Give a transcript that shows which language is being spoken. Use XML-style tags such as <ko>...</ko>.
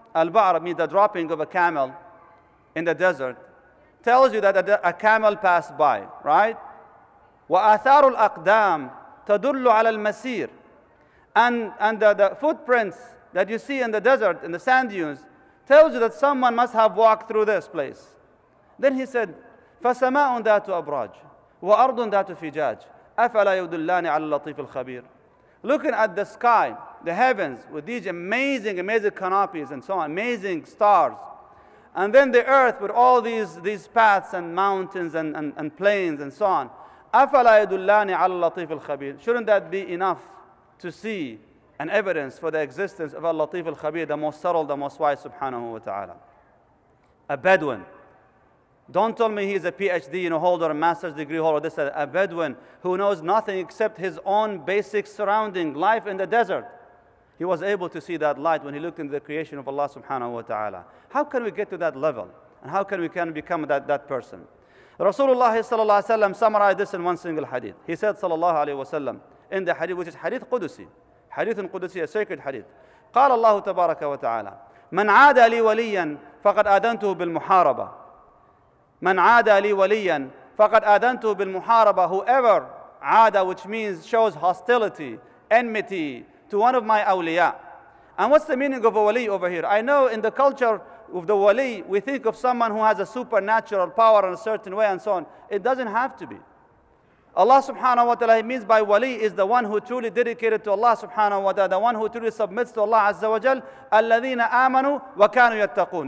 <en>Al-ba'ara means the dropping of a camel in the desert. Tells you that a camel passed by, right?</en> <ar>Wa atharu al-aqdam tadullu ala al-masir.</ar> <en>And the footprints that you see in the desert, in the sand dunes, tells you that someone must have walked through this place. Then he said,</en> <ar>فَسَمَاءٌ ذَاتُ أَبْرَاجٍ وَأَرْضٌ ذَاتُ فِجَاجٍ أَفَلَا يُدُلَّانِ عَلَى اللَّطِيفِ الْخَبِيرِ.</ar> <en>Looking at the sky, the heavens, with these amazing canopies and so on, amazing stars. And then the earth with all these paths and mountains and plains and so on.</en> <ar>أَفَلَا يُدُلَّانِ عَلَى اللَّطِيفِ الْخَبِيرِ.</ar> <en>Shouldn't that be enough to see an evidence for the existence of Al-Latif Al-Khabir, the most subtle, the most wise, subhanahu wa ta'ala? A Bedouin. Don't tell me he's a PhD holder, a master's degree holder. This is a Bedouin who knows nothing except his own basic surrounding, life in the desert. He was able to see that light when he looked into the creation of Allah subhanahu wa ta'ala. How can we get to that level? And how can we can become that person? Rasulullah sallallahu alayhi wa sallam summarized this in one single hadith. He said sallallahu alayhi wa sallam in the hadith, which is hadith Qudusi. Hadith Qudusi, a sacred hadith.</en> <ar>قال الله تبارك وتعالى من عادى لي وليا فقد آذنته بالمحاربة. من عادى لي وليا فقد آذنته بالمحاربة.</ar> <en>Whoever عادى, which means shows hostility, enmity to one of my awliya. And what's the meaning of a wali over here? I know in the culture of the wali, we think of someone who has a supernatural power in a certain way and so on. It doesn't have to be. Allah subhanahu wa ta'ala, he means by wali is the one who truly dedicated to Allah subhanahu wa ta'ala, the one who truly submits to Allah azza wa jal,</en> <ar>الَّذِينَ آمَنُوا وَكَانُوا يَتَّقُونَ.</ar>